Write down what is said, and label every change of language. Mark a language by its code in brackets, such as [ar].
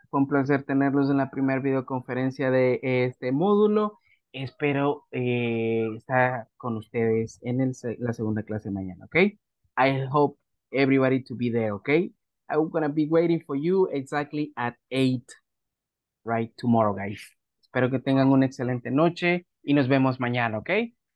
[es] Fue un placer tenerlos en la primera videoconferencia de este módulo. Espero estar con ustedes en la segunda clase mañana, ¿ok? [en] I hope everybody to be there, ¿ok? I'm going to be waiting for you exactly at 8, right, tomorrow, guys. [es] Espero que tengan una excelente noche y nos vemos mañana, ¿ok?